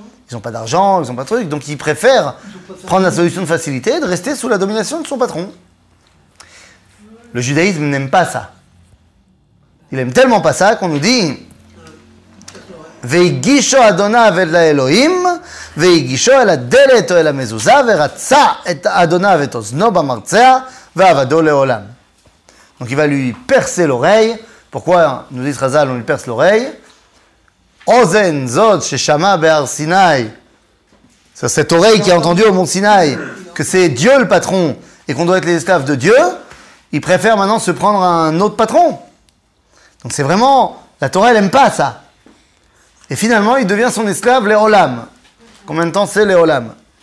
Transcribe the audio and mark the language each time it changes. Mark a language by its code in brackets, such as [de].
[fr] Ils n'ont pas d'argent, ils n'ont pas de trucs. Donc, ils préfèrent prendre la solution de facilité et de rester sous la domination de son patron. Le judaïsme n'aime pas ça. Il aime tellement pas ça qu'on nous dit... [he] והגישו אדוניו אל האלוהים, והגישו אל הדלת או אל המזוזה, ורצה את אדוניו את אוזנו במרצע, ועבדו לעולם. [fr] Donc il va lui percer l'oreille. Pourquoi nous dit Chazal, on lui perce l'oreille? [he] Ozen zot ששמע בהר סיני. [fr] C'est cette oreille qui a entendu au mont Sinaï que c'est Dieu le patron et qu'on doit être les esclaves de Dieu. Il préfère maintenant se prendre un autre patron. Donc c'est vraiment, la Torah elle aime pas ça. Et finalement, il devient son esclave, Léolam. Combien de temps c'est Léolam?